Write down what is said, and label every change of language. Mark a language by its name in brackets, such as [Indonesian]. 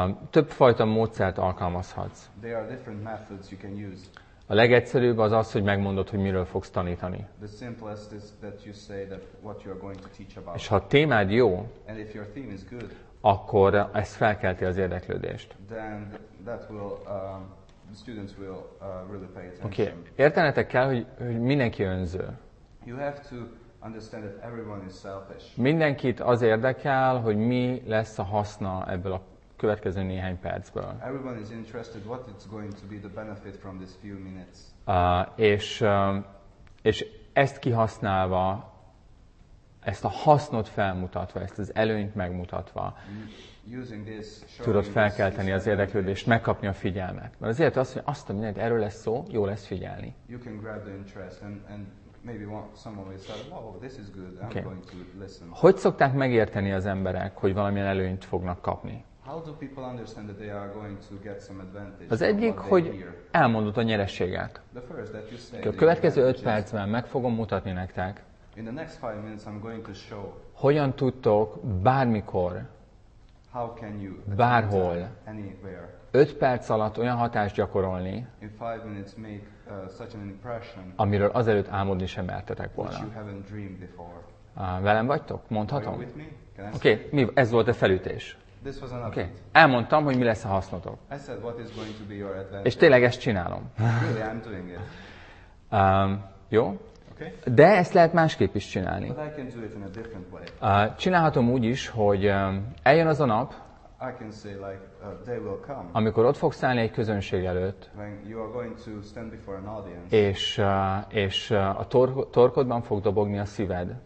[Hungarian] Többfajta módszert alkalmazhatsz. [English] There are different methods you can use. [Hungarian] A legegyszerűbb az az, hogy megmondod, hogy miről fogsz tanítani. [English] The simplest is that you say that what you are going to teach about. [Hungarian] És ha a témád jó, [English] and if your theme is good, [Hungarian] akkor ez felkelti az érdeklődést. [English] Then that will, the students will really pay attention. Okay. [Hungarian] Értenetek kell, hogy mindenki önző. [English] You have to understand that everyone is selfish. [Hungarian] Mindenkit az érdekel, hogy mi lesz a haszna ebből a következő néhány percből. [English] Everyone is interested what it's going to be the benefit from this few minutes. [Hungarian] És ezt kihasználva, ezt a hasznot felmutatva, ezt az előnyt megmutatva, [English] using this, [Hungarian] tudod felkelteni az érdeklődést, megkapni a figyelmet. Mert azért azt, hogy azt a mindent, erről lesz szó, jó lesz figyelni. [English] You can grab the interest and maybe some of you said, "Oh, this is good. I'm okay. going to listen." [Hungarian] Hogy szokták megérteni az emberek, hogy valamilyen előnyt fognak kapni? [English] How do people understand that they are going to get some advantage? [Hungarian] Az egyik, hogy elmondod a nyerességet. [English] The first that you say. [Hungarian] A következő 5 percben meg fogom mutatni nektek. [English] In the next 5 minutes I'm going to show. [Hungarian] Hogyan tudtok bármikor? [English] How can you? [Hungarian] Bárhol. [English] Anywhere. [Hungarian] 5 perc alatt olyan hatást gyakorolni, [English] in 5 minutes make such an impression, [Hungarian] amiről azelőtt álmodni sem mertetek volna. [English] Which you haven't dreamed before. [Hungarian] Velem vagytok? Mondhatom? [English] Are you with me? Can I say? [Hungarian] Okay, ez volt a felütés. [English] This was another. Okay. [Hungarian] Elmondtam, hogy mi lesz a hasznotok. [English] I said what is going to be your advantage. [Hungarian] És tényleg ezt csinálom. [English] Really, I'm doing it. [Hungarian] Jó? [English] Okay. [Hungarian] De ezt lehet másképp is csinálni. [English] But I can do it in a different way. [Hungarian] Csinálhatom úgy is, hogy eljön az a nap, [English] I can say like, they will come. [Hungarian] Amikor ott fogsz állni egy közönség előtt, [English] when you are going to stand before an audience, [Hungarian] és a torkodban fog dobogni a szíved,